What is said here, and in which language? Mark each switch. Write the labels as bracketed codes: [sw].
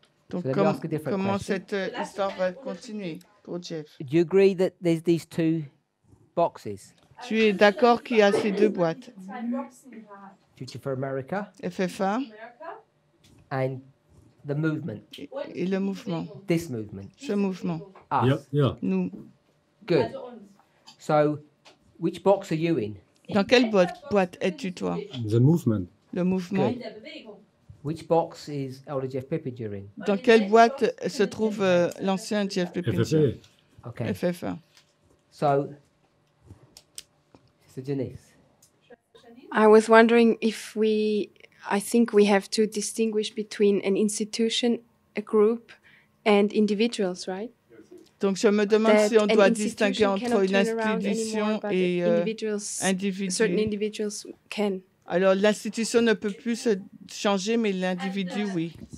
[fr] Donc [en] so [fr] comment cette histoire va continuer pour Jeff? [en] Do you agree that there's these two boxes? [fr] Tu es d'accord qu'il y a ces deux boîtes? [en] Future for America. [fr] FFA. [en] And the movement. [fr] Et le mouvement. [en] This movement. [fr] Ce mouvement. [en] Us. Yeah. [fr] Nous. [en] Good. So, which box are you in? [fr] Dans quelle boîte es-tu toi? [en] The movement. [fr] Le mouvement. [en] Good. Which box is Elder Jeff Pippinger in? [fr] Dans quelle boîte se trouve l'ancien Jeff Pippinger? [en] FFA. Okay. FFA. So, Sister Janice. I was wondering if I think we have to distinguish between an institution, a group, and individuals, right? [fr] Donc, je me demande si on doit distinguer entre une institution et [en] individuals can. [fr] Alors, l'institution ne peut plus se changer, mais l'individu, oui.